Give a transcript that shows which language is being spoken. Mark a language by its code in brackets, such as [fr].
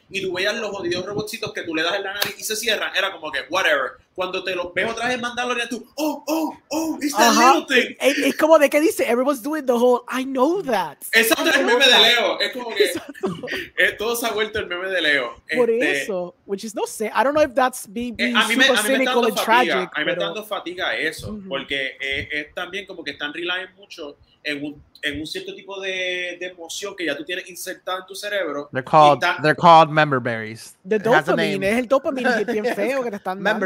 [es] y tú veías los jodidos robotcitos que tú le das en la nariz y se cierran, era como que, whatever. Cuando te los ves otra vez en Mandalorian, tú, [en] oh, it's that little thing. [es] Es como, ¿de qué dice? [en] Everyone's doing the whole, I know that. [es] Exacto, el meme de Leo. Es como que, todo se ha vuelto el meme de Leo. Por eso, [en] which is, [es] no sé, [en] I don't know if that's being super cynical and tragic. [es] A mí me está dando fatiga eso, porque es también como que están relying mucho en un cierto tipo de emoción que ya tú tienes insertada en tu cerebro. [en] They're called member berries. The dopamine. [es] Es el dopamine que es bien feo que te están dando.